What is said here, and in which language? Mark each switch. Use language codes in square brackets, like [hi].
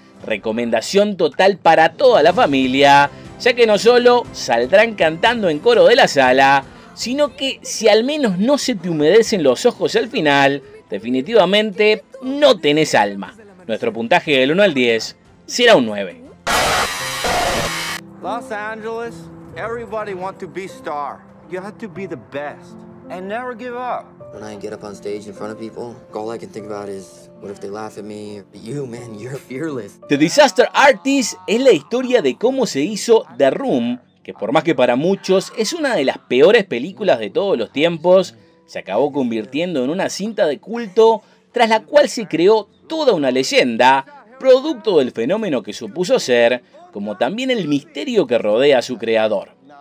[es] Recomendación total para toda la familia, ya que no solo saldrán cantando en coro de la sala, sino que si al menos no se te humedecen los ojos al final, definitivamente no tenés alma. Nuestro puntaje del 1 al 10 será un 9. [en] Los Angeles, everybody want to be star. You have to be the best and never give up. When I get up on stage in front of people, all I can think about is what if they laugh at me? You, man, you're fearless. [es] The Disaster Artist es la historia de cómo se hizo The Room, que por más que para muchos es una de las peores películas de todos los tiempos, se acabó convirtiendo en una cinta de culto tras la cual se creó toda una leyenda, producto del fenómeno que supuso ser, como también el misterio que rodea a su creador.